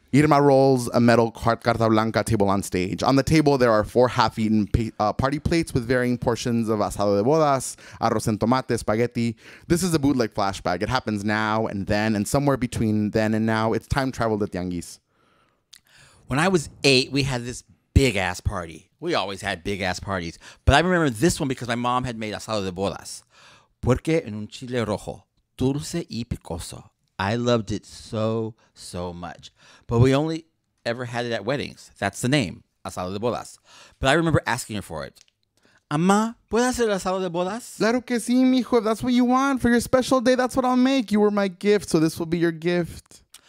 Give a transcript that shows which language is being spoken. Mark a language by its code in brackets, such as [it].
[en] Irma rolls a metal carta blanca table on stage. On the table, there are four half-eaten party plates with varying portions of asado de bodas, arroz en tomate, spaghetti. This is a bootleg flashback. It happens now and then, and somewhere between then and now, it's time traveled at Tianguis. When I was 8, we had this big-ass party. We always had big-ass parties. But I remember this one because my mom had made asado de bodas. [es] Porque en un chile rojo, dulce y picoso. [en] I loved it so, so much. But we only ever had it at weddings. That's the name, asado de bodas. But I remember asking her for it. [es] Amá, ¿puedo hacer asado de bodas? Claro que sí, mijo. [en] If that's what you want for your special day, that's what I'll make. You were my gift, so this will be your gift.